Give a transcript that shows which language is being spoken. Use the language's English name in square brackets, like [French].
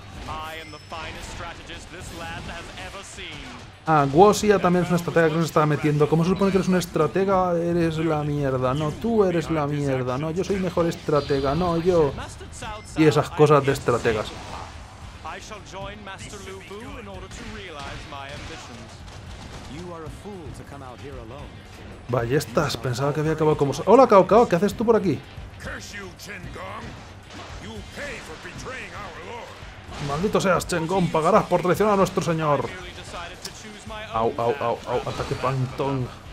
[English] I am the finest strategist this land has ever seen. [Spanish] Ah, Guo Xia también es una estratega que nos estaba metiendo. ¿Cómo se supone que eres una estratega? Eres la mierda. No, tú eres la mierda. No, yo soy mejor estratega. No, yo... Y esas cosas de estrategas. [English] I shall join Master Lu Bu in order to realize my ambitions. You are a fool to come out here alone. [Spanish] Ballestas, pensaba que había acabado como... Hola, Cao Cao, ¿qué haces tú por aquí? [English] Curse you, Chen Gong. [Spanish] ¡Maldito seas, Chen Gong! ¡Pagarás por traicionar a nuestro señor! ¡Au, au, au, au! ¡Ataque Pantong!